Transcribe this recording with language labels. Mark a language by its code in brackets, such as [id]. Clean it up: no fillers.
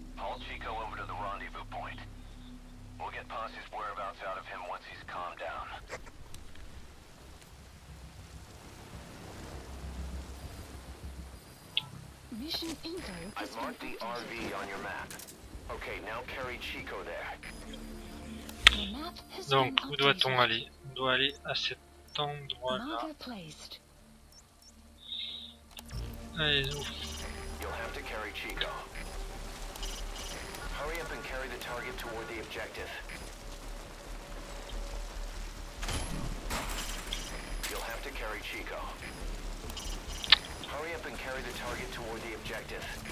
[en] Haul Chico over to the rendezvous point. We'll get Posse's whereabouts out of him once he's calmed down. Mission Info. I've marked the RV on your map. Okay, now carry Chico there. [fr] Donc, où doit-on aller? On doit aller à cet endroit-là. Allez, ouf. [en] You'll have to carry Chico. Hurry up and carry the target toward the objective. You'll have to carry Chico. Hurry up and carry the target toward the objective.